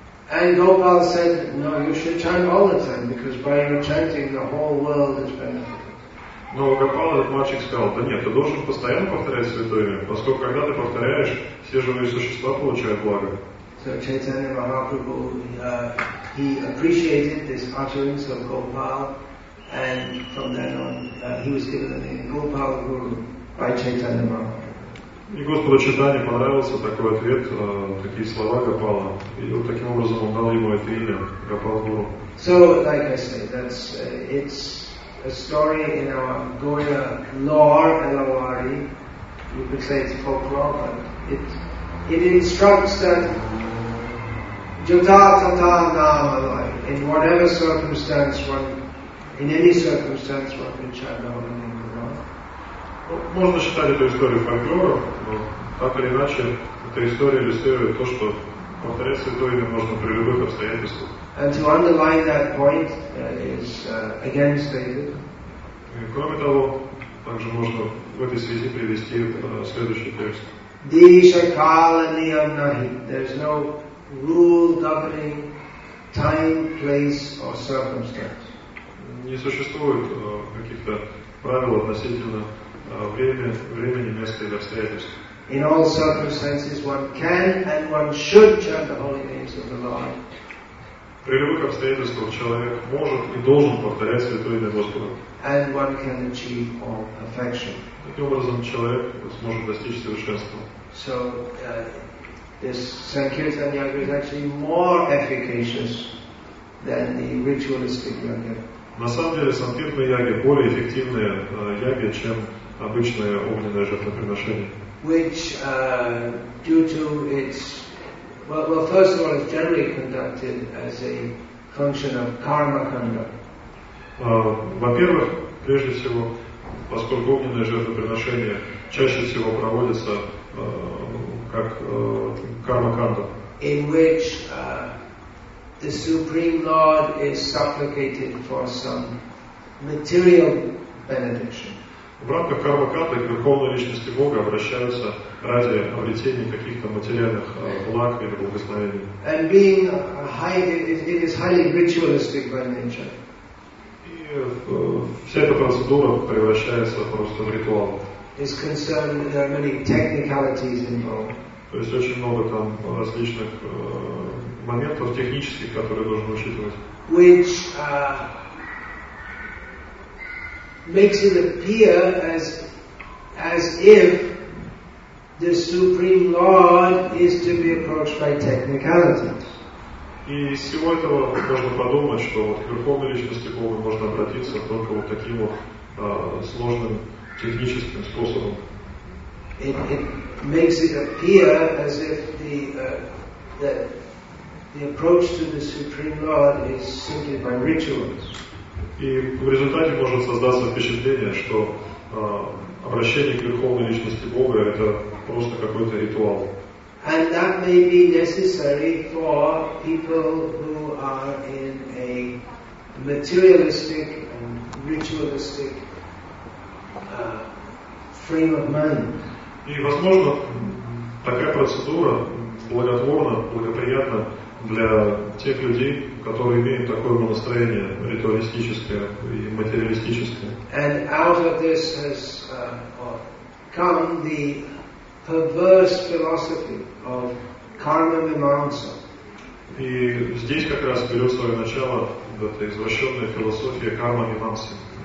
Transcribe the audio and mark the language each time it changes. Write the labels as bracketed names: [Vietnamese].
[English] And Gopal said, no, you should chant all the time, because by your chanting, the whole world is benefited. [Russian] Но Гопал, этот мальчик, сказал, да нет, ты должен постоянно повторять святое имя, поскольку когда ты повторяешь, все живые существа получают благо. [English] So Chaitanya Mahaprabhu, he appreciated this utterance of Gopal, and from then on, he was given the name Gopal Guru by Chaitanya Mahaprabhu. [Russian] И Господу Чайтанье понравился такой ответ, такие слова Гопала. И вот таким образом он дал ему это имя, Гопал Гуру. [English] So, like I say, that's it's a story in our Gaudiya lore, Elawari. You could say it's folklore, but it instructs that Jata Tata Nama, like, in whatever circumstance one, in any circumstance one can chant the holy name of the Lord. [Russian] Можно считать эту историю фольклором, но так или иначе, эта история иллюстрирует то, что Повторять святое имя можно при любых обстоятельствах. [English] And to underline that point is again stated. [Russian] И кроме того, также можно в этой связи привести следующий текст. [Bangla] Disha kala niyam nahi. [English] There's no rule governing time, place or circumstance. [Russian] Не существует каких-то правил относительно времени, места или обстоятельств. [English] In all circumstances one can and one should chant the holy names of the Lord. [Russian] При любых обстоятельствах человек может и должен повторять святое имя Господа. [English] And one can achieve all perfection. [Russian] Таким образом человек сможет достичь совершенства. [English] So this Sankirtan Yajna is actually more efficacious than the ritualistic yajna. [Russian] На самом деле Санкиртана Яги более эффективная яги, чем обычное огненное жертвоприношение. [English] Which due to its well first of all it's generally conducted as a function of karma kanda. [Russian] Во-первых, прежде всего, поскольку огненное жертвоприношение чаще всего проводится как карма канда. [English] In which the Supreme Lord is supplicated for some material benediction. [Russian] В рамках кармакарты к Верховной Личности Бога обращаются ради обретения каких-то материальных благ или благословений. [English] And being it is highly ritualistic by nature. [Russian] И вся эта процедура превращается просто в ритуал. [English] It's concerned that there are many technicalities involved. [Russian] То есть очень много там различных моментов технических, которые должен учитывать. [English] Which makes it appear as if the Supreme Lord is to be approached by technicalities. [Russian] И из всего этого можно подумать, что вот к Верховной Личности Бога можно обратиться только вот таким вот сложным техническим способом. [English] It makes it appear as if the approach to the Supreme Lord is simply by rituals. [Russian] И в результате может создаться впечатление, что обращение к Верховной Личности Бога – это просто какой-то ритуал. [English] And that may be necessary for people who are in a materialistic and ritualistic frame of mind. [Russian] И, возможно, такая процедура благотворна, благоприятна для тех людей, которые имеют такое настроение ритуалистическое и материалистическое. [English] And out of this has come the perverse philosophy of karma mimamsa. [Russian] И здесь как раз берет свое начало эта извращенная философия карма мимамсы.